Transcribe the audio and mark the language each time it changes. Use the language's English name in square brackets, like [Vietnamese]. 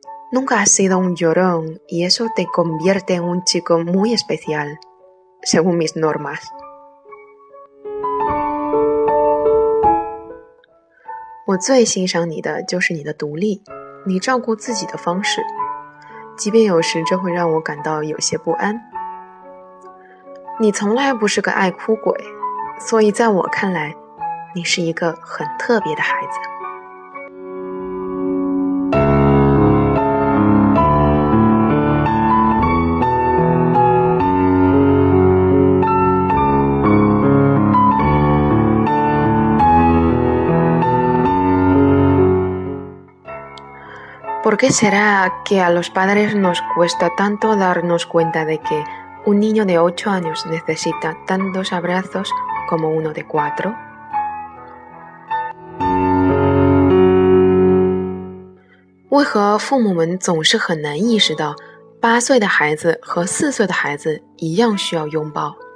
[Spanish] Nunca has sido un llorón y eso te convierte en un chico muy especial, según mis normas. Lo que más me gusta de ti es tu independencia, tu manera de cuidarte. [Chinese] 即便有时这会让我感到有些不安。你从来不是个爱哭鬼，所以在我看来，你是一个很特别的孩子。 [Spanish] ¿Por qué será que a los padres nos cuesta tanto darnos cuenta de que un niño de 8 años necesita tantos abrazos como uno de 4? ¿Por qué [Chinese] 父母们总是很难意识到8岁的孩子和4岁的孩子一样需要拥抱？